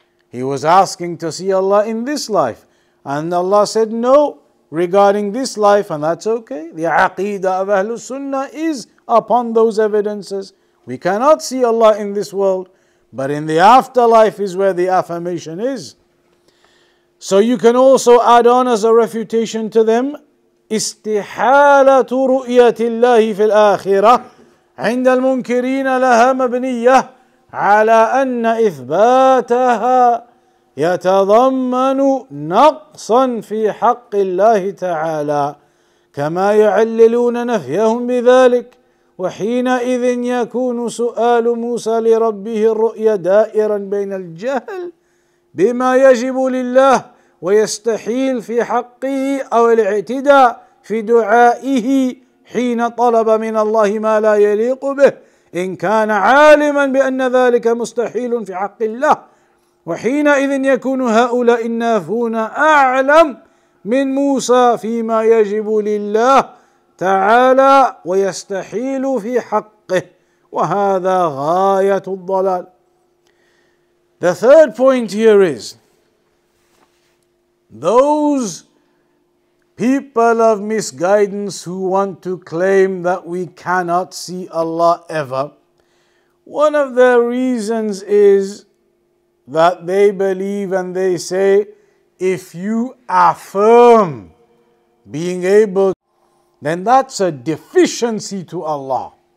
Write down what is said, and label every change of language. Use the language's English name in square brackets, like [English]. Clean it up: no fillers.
[English] He was asking to see Allah in this life. And Allah said no regarding this life, and that's okay. The Aqidah of Ahlul Sunnah is upon those evidences. We cannot see Allah in this world, but in the afterlife is where the affirmation is. So you can also add on as a refutation to them, [Arabic] استحالة رؤية الله في الآخرة عند المنكرين لها مبنية على أن إثباتها يتضمن نقصا في حق الله تعالى كما يعللون نفيهم بذلك وحينئذ يكون سؤال موسى لربه الرؤيا دائرا بين الجهل بما يجب لله ويستحيل في حقه أو الاعتداء في دعائه حين طلب من الله ما لا يليق به إن كان عالما بأن ذلك مستحيل في حق الله وحينئذ يكون هؤلاء النافون أعلم من موسى فيما يجب لله تعالى ويستحيل في حقه وهذا غاية الضلال. [English] The third point here is those people of misguidance who want to claim that we cannot see Allah ever, one of their reasons is that they believe and they say, if you affirm being able, then that's a deficiency to Allah.